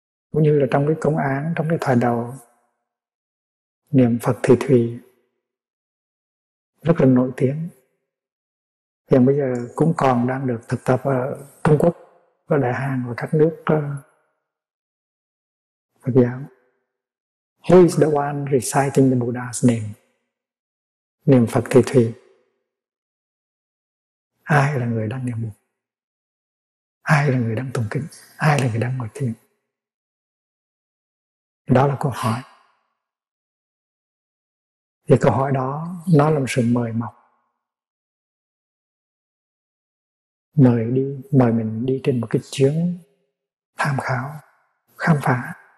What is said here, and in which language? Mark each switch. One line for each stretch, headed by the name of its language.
Vietnamese: Cũng như là trong cái công án, trong cái thời đầu niệm Phật thì thùy rất là nổi tiếng, hiện bây giờ cũng còn đang được thực tập ở Trung Quốc, ở Đại Hàn và các nước Phật giáo.
English: Who is the one reciting the Buddha's name?
Vietnamese: Niệm Phật thì thùy. Ai là người đang niệm Phật? Ai là người đang tụng kinh? Ai là người đang ngồi thiền? Đó là câu hỏi. Thì câu hỏi đó nó là một sự mời mọc, mời đi, mời mình đi trên một cái chuyến tham khảo, khám phá.